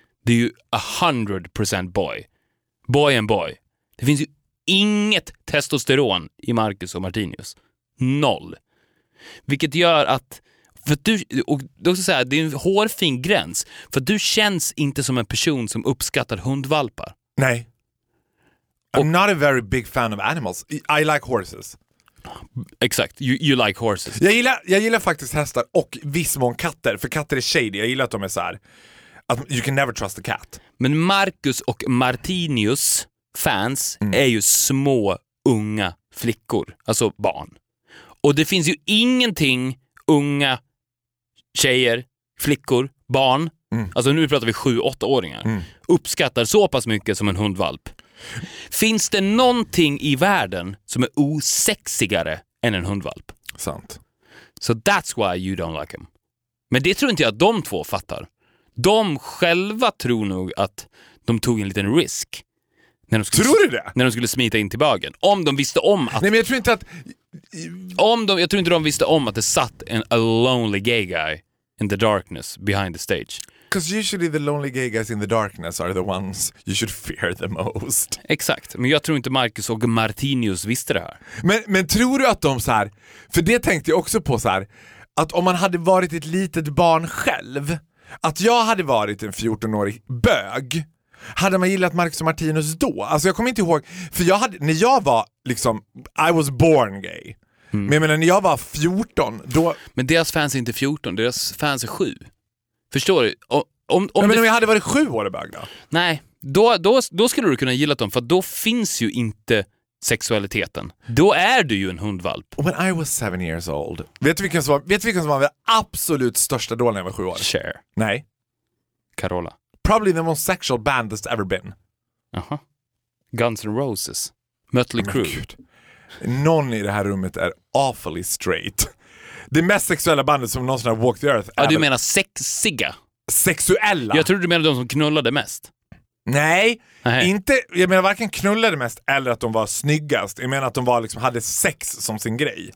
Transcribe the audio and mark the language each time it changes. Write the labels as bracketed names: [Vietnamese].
[Swedish] Det är ju 100% [English] boy. Boy and boy. [Swedish] Det finns ju inget testosteron i Marcus och Martinius. Noll. Vilket gör att, för att du, och då ska jag säga, det är en hårfin gräns. För du känns inte som en person som uppskattar hundvalpar. Nej. [English] I'm not a very big fan of animals. I like horses. Exakt, you like horses. [Swedish] Jag gillar faktiskt hästar och viss mån katter. För katter är shady. Jag gillar att de är så här. [English] Att you can never trust a cat. [Swedish] Men Marcus och Martinius fans är ju små unga flickor, alltså barn. Och det finns ju ingenting unga tjejer, flickor, barn, alltså nu pratar vi 7-8-åringar, uppskattar så pass mycket som en hundvalp. Finns det någonting i världen som är osexigare än en hundvalp? Sant. [English] So that's why you don't like him. [Swedish] Men det tror inte jag att de två fattar. De själva tror nog att de tog en liten risk. Tror du det? När de skulle smita in till bagen. Om de visste om att... Nej, men jag tror inte att... Jag tror inte de visste om att det satt [English] a lonely gay guy in the darkness behind the stage. Because usually the lonely gay guys in the darkness are the ones you should fear the most. [Swedish] Exakt. Men jag tror inte Marcus och Martinius visste det här. Men tror du att de så här... För det tänkte jag också på så här... Att om man hade varit ett litet barn själv... Att jag hade varit en 14-årig bög... Hade man gillat Marcus och Martinus då? Alltså jag kommer inte ihåg. För jag hade, när jag var liksom, [English] I was born gay. [Swedish] Men jag menar, när jag var 14 då... Men deras fans är inte 14, deras fans är 7. Förstår du? Men om jag hade varit 7 år i bög då? Nej, då skulle du kunna gilla dem. För då finns ju inte sexualiteten. Då är du ju en hundvalp. [English] When I was 7 years old. [Swedish] Vet du vilken som var den absolut största då när jag var 7 år? Cher. Nej. Carola. [English] Probably the most sexual band that's ever been. [Swedish] Aha. Guns N' Roses. Mötley Crüe. Gud. Någon i det här rummet är [English] awfully straight. [Swedish] Det mest sexuella bandet som någonsin har [English] walked the earth. [Swedish] Ja, du menar sexiga? sexuella. Jag tror du menar de som knullade mest. Nej, aha, inte. Jag menar varken knullade mest eller att de var snyggast. Jag menar att de var liksom hade sex som sin grej.